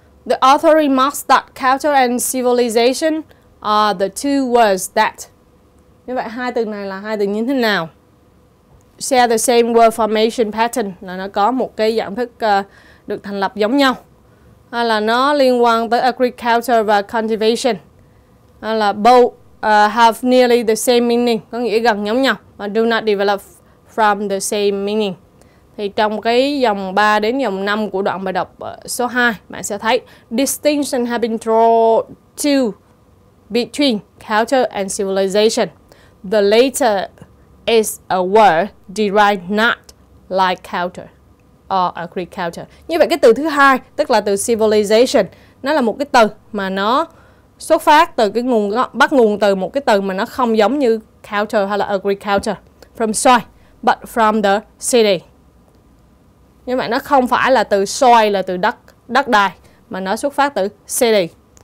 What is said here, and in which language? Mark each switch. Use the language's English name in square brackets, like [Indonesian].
[English] The author remarks that culture and civilization are the two words that. [Vietnamese] Như vậy hai từ này là hai từ như thế nào? [English] Share the same word formation pattern, [Vietnamese] là nó có một cái dạng thức được thành lập giống nhau, hay là nó liên quan tới agriculture và cultivation, hay là [English] both have nearly the same meaning, [Vietnamese] có nghĩa gần giống nhau, và [English] do not develop from the same meaning. [Vietnamese] Thì trong cái dòng 3 đến dòng 5 của đoạn bài đọc số 2, bạn sẽ thấy [English] distinction have been drawn to between culture and civilization. The latter is a word derived not like culture or agriculture. [Vietnamese] Như vậy cái từ thứ hai, tức là từ civilization, nó là một cái từ mà nó xuất phát từ cái nguồn, bắt nguồn từ một cái từ mà nó không giống như culture hay là agriculture, [English] from soil but from the city. [Vietnamese] Như vậy nó không phải là từ soil, là từ đất đai, mà nó xuất phát từ city.